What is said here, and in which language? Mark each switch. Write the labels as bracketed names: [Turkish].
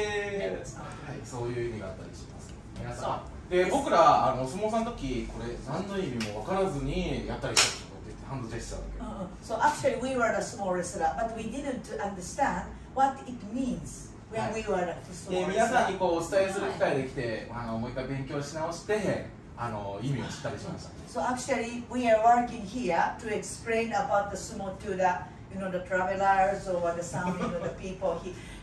[Japanese] で、はい、そういう意味があったりします。皆さん、で、僕らお相撲さんの時、これ何の意味も分からずにやったりしたと思って、ハンドジェスチャーだけ。 [English] So actually we were the small wrestler, but we didn't understand what it means when we were the small wrestler. [Japanese] 皆さんにお伝えする機会できて、もう一回勉強し直して、意味を知ったりしました。 [English] So actually we are working here to explain about the sumo to the, you know, the travelers or the some, you know, the people here.